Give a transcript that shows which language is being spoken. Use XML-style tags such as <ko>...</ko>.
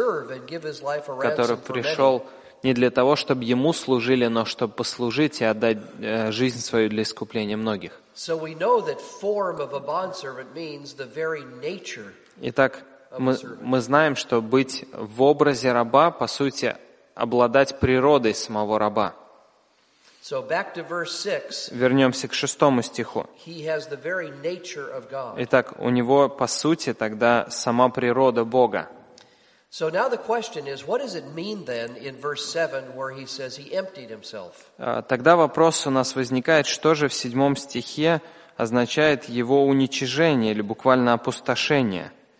<ru>Который пришел не для того, чтобы ему служили, но чтобы послужить и отдать жизнь свою для искупления многих.</ru> <en>So we know that form of a bondservant means the very nature.</en> <ru>Итак, мы знаем, что быть в образе раба, по сути, обладать природой самого раба.</ru> <en>So back to verse 6.</en> <ru>Вернёмся к шестому стиху.</ru> <en>He has the very nature of God.</en> <ru>Итак, у него по сути тогда сама природа Бога.</ru> <en>So now the question is, what does it mean then in verse 7 where he says he emptied himself?</en> <ru>Тогда вопрос у нас возникает, что же в седьмом стихе означает его уничижение или буквально опустошение?</ru>